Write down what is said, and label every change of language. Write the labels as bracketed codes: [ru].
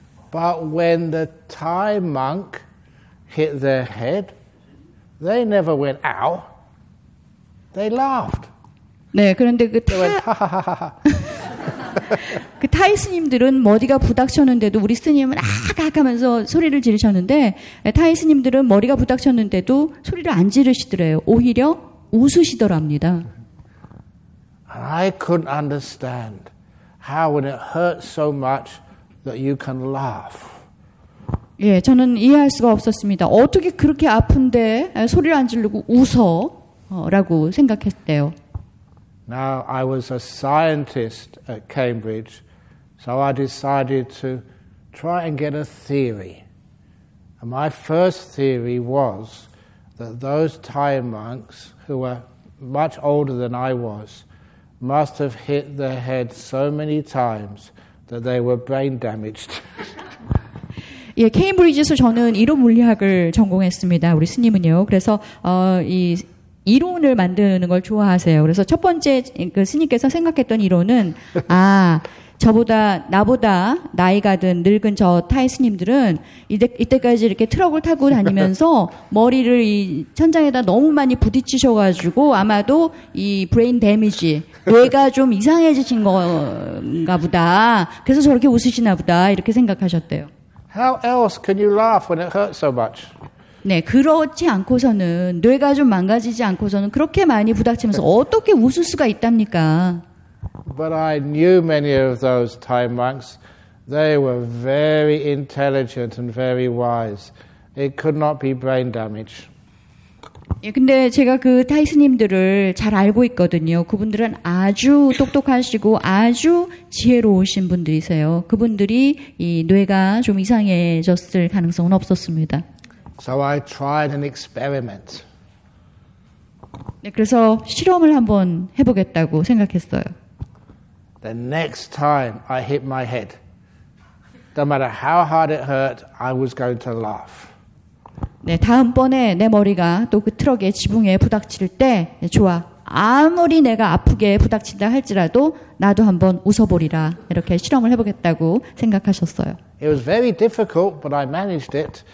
[en] But when the Thai monk hit their head, they never went ow. They laughed. [ko] 네, 그런데 그 타 그 타이 스님들은 머리가 부닥쳤는데도 우리 스님은 아악하면서 소리를 지르셨는데 타이 스님들은 머리가 부닥쳤는데도 소리를 안 지르시더래요. 오히려 웃으시더랍니다. [en] I couldn't understand how when it hurts so much that you can laugh. [ko] 예, 저는 이해할 수가 없었습니다. 어떻게 그렇게 아픈데 소리를 안 지르고 웃어라고 생각했대요. [en] Now I was a scientist at Cambridge, so I decided to try and get a theory. And my first theory was that those Thai monks, who were much older than I was, must have hit their head so many times that they were brain damaged. [ko] 예, 케임브리지에서 저는 이론 물리학을 전공했습니다. 우리 스님은요. 그래서 이 이론을 만드는 걸 좋아하세요. 그래서 첫 번째 그 스님께서 생각했던 이론은 아, 저보다 나보다 나이가 든 늙은 저 타이 스님들은 이때까지 이렇게 트럭을 타고 다니면서 머리를 이 천장에다 너무 많이 부딪히셔 가지고 아마도 이 브레인 데미지 뇌가 좀 이상해지신 건가 보다. 그래서 저렇게 웃으시나 보다. 이렇게 생각하셨대요. [en] How else can you laugh when it hurts so much? [ko] 네, 그렇지 않고서는 뇌가 좀 망가지지 않고서는 그렇게 많이 부닥치면서 어떻게 웃을 수가 있답니까? [en] But I knew many of those Thai monks. They were very intelligent and very wise. It could not be brain damage. [ko] 예, 근데 제가 그 타이 스님들을 잘 알고 있거든요. 그분들은 아주 똑똑하시고 아주 지혜로우신 분들이세요. 그분들이 이 뇌가 좀 이상해졌을 가능성은 없었습니다. [en] So I tried an experiment. [ko] 네, 그래서 실험을 한번 해보겠다고 생각했어요. [en] The next time I hit my head, no matter how hard it hurt, I was going to laugh. [ko] 네, 다음번에 내 머리가 또 그 트럭의 지붕에 부닥칠 때, 네, 좋아. 아무리 내가 아프게 부닥친다 할지라도 나도 한번 웃어보리라. 이렇게 실험을 해보겠다고 생각하셨어요. [en] It was very difficult, but I managed it.